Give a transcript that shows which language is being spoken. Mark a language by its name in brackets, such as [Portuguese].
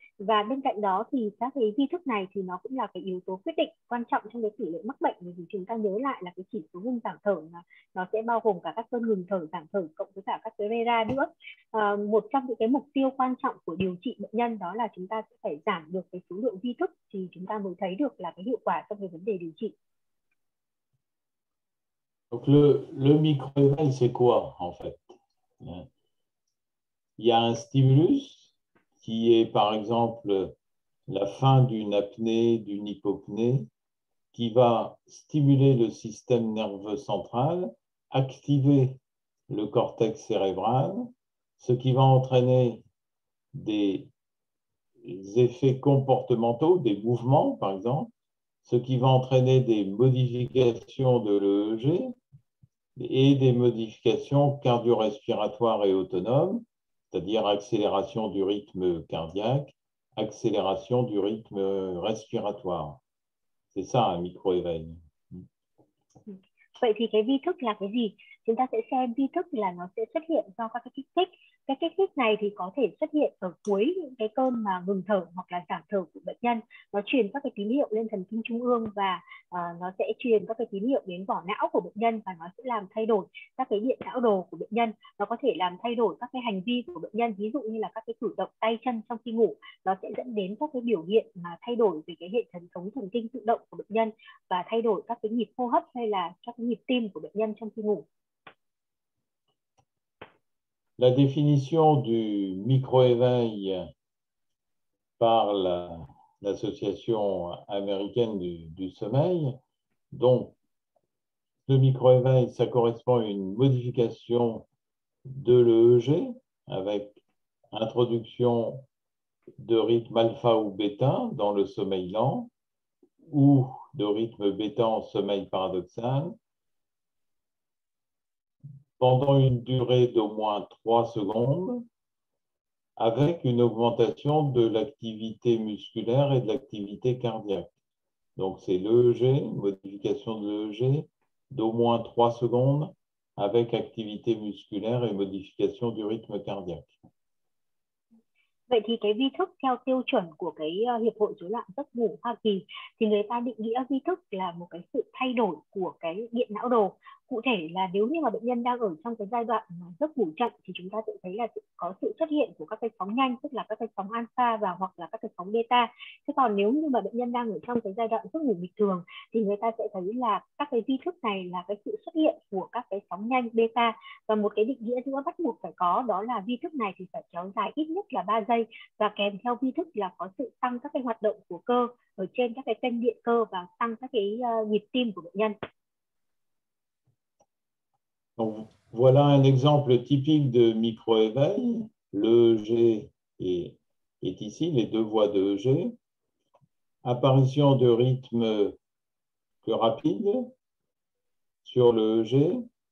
[Vietnamese] Và bên cạnh đó thì các cái vi thức này thì nó cũng là cái yếu tố quyết định quan trọng trong cái tỷ lệ mắc bệnh, bởi vì chúng ta nhớ lại là cái chỉ số ngừng giảm thở nó sẽ bao gồm cả các cơn ngừng thở giảm thở cộng với cả các cái RERA nữa. Một trong những cái mục tiêu quan trọng của điều trị bệnh nhân đó là chúng ta sẽ phải giảm được cái số lượng vi thức thì chúng ta mới thấy được là cái hiệu quả trong cái vấn đề điều trị. [French] Donc le micro-éveil, c'est quoi en fait? Il y a un stimulus qui est par exemple la fin d'une apnée, d'une hypopnée, qui va stimuler le système nerveux central, activer le cortex cérébral, ce qui va entraîner des effets comportementaux, des mouvements par exemple, ce qui va entraîner des modifications de l'EEG, et des modifications cardio-respiratoires et autonomes, c'est-à-dire accélération du rythme cardiaque, accélération du rythme respiratoire. C'est ça un micro-éveil. [Vietnamese] Vậy thì cái vi thức là cái gì? Chúng ta sẽ xem vi thức là nó sẽ xuất hiện do các cái kích thích. Cái kích thích này thì có thể xuất hiện ở cuối những cái cơn mà ngừng thở hoặc là giảm thở của bệnh nhân. Nó truyền các cái tín hiệu lên thần kinh trung ương và nó sẽ truyền các cái tín hiệu đến vỏ não của bệnh nhân và nó sẽ làm thay đổi các cái điện não đồ của bệnh nhân. Nó có thể làm thay đổi các cái hành vi của bệnh nhân, ví dụ như là các cái cử động tay chân trong khi ngủ. Nó sẽ dẫn đến các cái biểu hiện mà thay đổi về cái hệ thần thống thần kinh tự động của bệnh nhân và thay đổi các cái nhịp hô hấp hay là các cái nhịp tim của bệnh nhân trong khi ngủ. [French] La définition du micro-éveil par l'Association américaine du sommeil, donc le micro-éveil, ça correspond à une modification de l'EEG avec introduction de rythme alpha ou bêta dans le sommeil lent ou de rythme bêta en sommeil paradoxal. Pendant une durée d'au moins 3 secondes, avec une augmentation de l'activité musculaire et de l'activité cardiaque. Donc c'est l'EEG, modification de l'EEG, d'au moins 3 secondes, avec activité musculaire et modification du rythme cardiaque. [Vietnamese] Vậy thì cái vi thức theo tiêu chuẩn của cái Hiệp hội rối loạn giấc ngủ Hoa Kỳ thì người ta định nghĩa vi thức là một cái sự thay đổi của cái điện não đồ. Cụ thể là nếu như mà bệnh nhân đang ở trong cái giai đoạn mà giấc ngủ chậm thì chúng ta sẽ thấy là có sự xuất hiện của các cái sóng nhanh, tức là các cái sóng alpha và hoặc là các cái sóng beta. Thế còn nếu như mà bệnh nhân đang ở trong cái giai đoạn giấc ngủ bình thường thì người ta sẽ thấy là các cái vi thức này là cái sự xuất hiện của các cái sóng nhanh beta. Và một cái định nghĩa nữa bắt buộc phải có, đó là vi thức này thì phải kéo dài ít nhất là 3 giây và kèm theo vi thức là có sự tăng các cái hoạt động của cơ ở trên các cái kênh điện cơ và tăng các cái nhịp tim của bệnh nhân. [French] Donc, voilà un exemple typique de micro-éveil. L'EEG est ici, les deux voies d'EEG. Apparition de rythme plus rapide sur l'EEG.